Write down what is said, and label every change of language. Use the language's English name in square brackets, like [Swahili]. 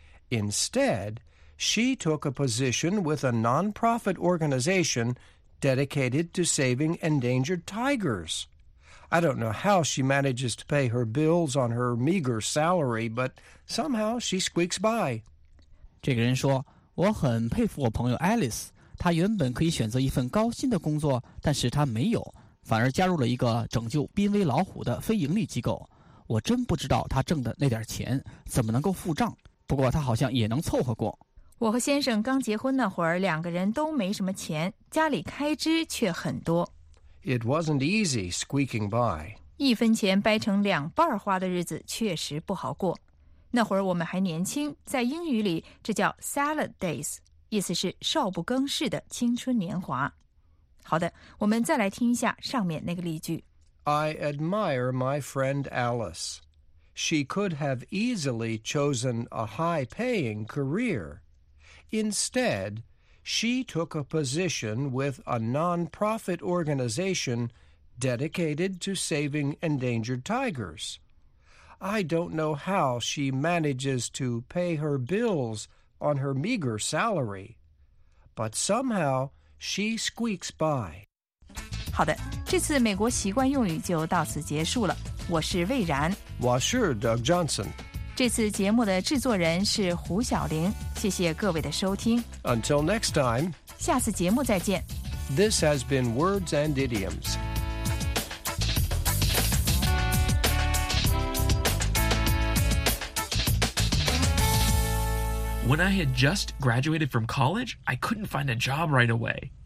[English] Instead, she took a position with a non-profit organization dedicated to saving endangered tigers. I don't know how she manages to pay her bills on her meager salary, but somehow she squeaks by. [Chinese] 这个人说，我很佩服我朋友 Alice， 她原本可以选择一份高薪的工作，但是她没有，反而加入了一个拯救濒危老虎的非盈利机构。我真不知道她挣的那点钱怎么能够付账，不过她好像也能凑合过。我和先生刚结婚那会儿，两个人都没什么钱，家里开支却很多。 [English] It wasn't easy squeaking by. [Chinese] 一分钱掰成两半花的日子确实不好过。那会儿我们还年轻，在英语里这叫 salad days， 意思是少不更事的青春年华。好的，我们再来听一下上面那个例句。 [English] I admire my friend Alice. She could have easily chosen a high-paying career. Instead,She took a position with a non-profit organization dedicated to saving endangered tigers. I don't know how she manages to pay her bills on her meager salary, but somehow she squeaks by. [Chinese] 好的，这次美国习惯用语就到此结束了。我是魏然。我是 Doug Johnson。这次节目的制作人是胡晓玲，谢谢各位的收听。 [English] Until next time. [Chinese] 下次节目再见。 [English] This has been Words and Idioms. When I had just graduated from college, I couldn't find a job right away.